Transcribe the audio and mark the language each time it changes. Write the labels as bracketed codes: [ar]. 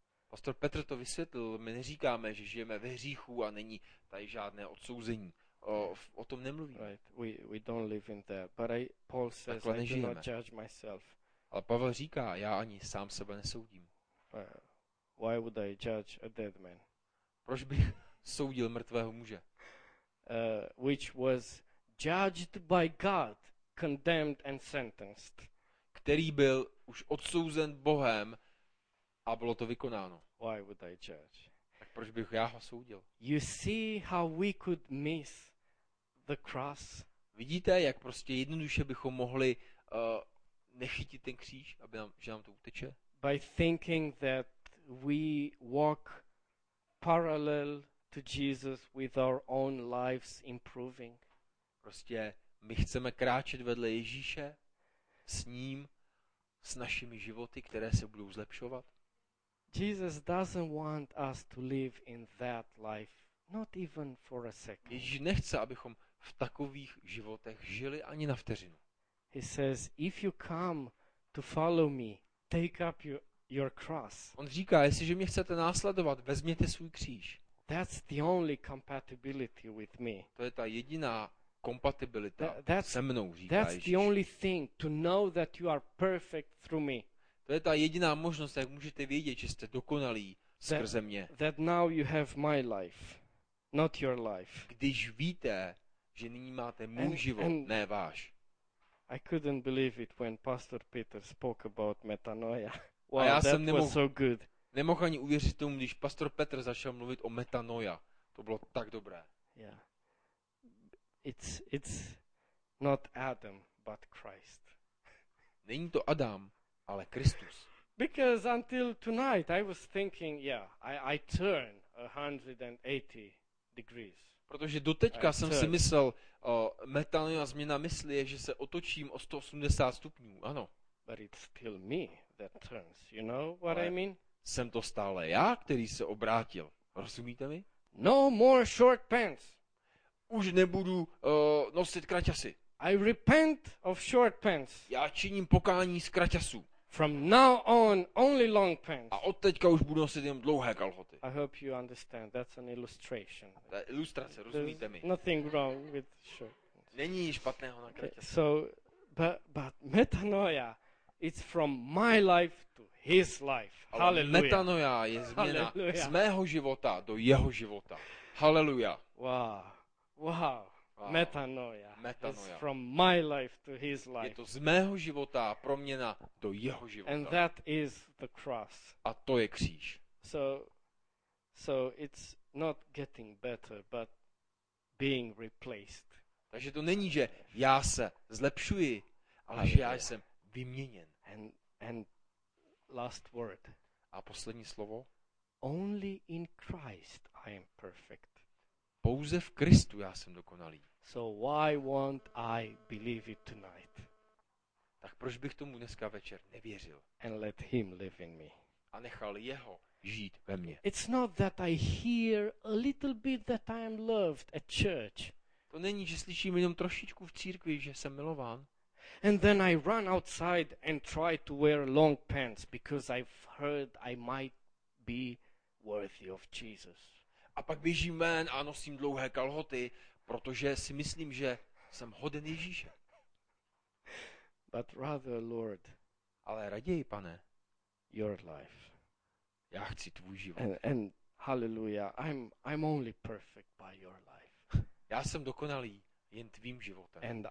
[cs] Pastor Petr to vysvětlil, my neříkáme, že žijeme ve hříchu a není tady žádné odsouzení. O tom nemluvíme. [en] Right. We don't live in that. But Paul says, [cs] takhle nežijeme. [en] I do not judge myself. [cs] Ale Pavel říká, já ani sám sebe nesoudím. [en] Why would I judge a dead man? [cs] Proč bych soudil mrtvého muže? [en] Which was judged by God, condemned and sentenced. [cs] Který byl už odsouzen Bohem a bylo to vykonáno. [en] Why would I judge? [cs] Tak proč bych já ho soudil? [en] You see how we could miss the cross? [cs] Vidíte, jak prostě jednoduše bychom mohli nechytit ten kříž, aby nám, že nám to uteče? [en] By thinking that we walk parallel to Jesus with our own lives improving. [cs] Prostě my chceme kráčet vedle Ježíše s ním, s našimi životy, které se budou zlepšovat. [en] Jesus doesn't want us to live in that life, not even for a second. [cs] Ježíš nechce, abychom v takových životech žili ani na vteřinu. [en] He says, if you come to follow me, take up your cross. [cs] On říká, jestliže mě chcete následovat, vezměte svůj kříž. [en] That's the only compatibility with me. [cs] To je ta jediná kompatibilita se mnou, říká Ježíš. [en] That's the only thing to know that you are perfect through me. [cs] To je ta jediná možnost, jak můžete vědět, že jste dokonalí skrze mě. [en] That now you have my life, not your life. [cs] Když víte, že nyní máte můj život, [en] and [cs] ne váš. [en] I couldn't believe it when Pastor Peter spoke about metanoia. Wow, [cs] a já [en] that [cs] jsem [en] was so good. [cs] Nemohl ani uvěřit tomu, když Pastor Petr začal mluvit o metanoia. To bylo tak dobré. [en] Yeah. It's not Adam, but Christ. [cs] Není to Adam, ale Kristus. [en] Because until tonight I was thinking, yeah, I turn 180 degrees. [cs] Protože doteďka jsem si myslel, metanoia, změna mysli je, že se otočím o 180 stupňů. Ano. [en] But it's still me that turns. You know what I mean? [cs] Jsem to stále já, který se obrátil. Rozumíte mi? [en] No more short pants. [cs] Už nebudu nosit kraťasy. [en] I repent of short pants. [cs] Já činím pokání z kraťasů. [en] From now on only long pants. [cs] A od teďka už budu nosit jen dlouhé kalhoty. [en] I hope you understand. That's an illustration. [cs] Ta ilustrace, rozumíte [en] There's [cs] mi? [en] Nothing wrong with short pants. [cs] Není špatného na kraťasy. [en] So, but metanoia, it's from my life to his life. Hallelujah. [cs] Metanoia je změna Hallelujah. Z mého života do jeho života. Hallelujah. [en] Wow. Metanoia. [cs] Metanoia. [en] It's from my life to his life. [cs] Je to z mého života proměna do jeho života. [en] And that is the cross. [cs] A to je kříž. [en] So it's not getting better, but being replaced. [cs] Takže to není, že já se zlepšuji, ale že já jsem vyměněn. [en] And last word. [cs] A poslední slovo. [en] Only in Christ I am perfect. [cs] Pouze v Kristu já jsem dokonalý. [en] So why won't I believe it tonight? [cs] Tak proč bych tomu dneska večer nevěřil? [en] And let him live in me. [cs] A nechal jeho žít ve mně. [en] It's not that I hear a little bit that I am loved at church. [cs] To není, že slyším jenom trošičku v církvi, že jsem milován. [en] And then I run outside and try to wear long pants because I've heard I might be worthy of Jesus. [cs] A pak běžím ven a nosím dlouhé kalhoty, protože si myslím, že jsem hoden Ježíše. [en] But rather, Lord, [cs] ale raději, pane, [en] your life. [cs] Já chci tvůj život. [en] And hallelujah, I'm only perfect by your life. [cs] Já jsem dokonalý jen tvým životem.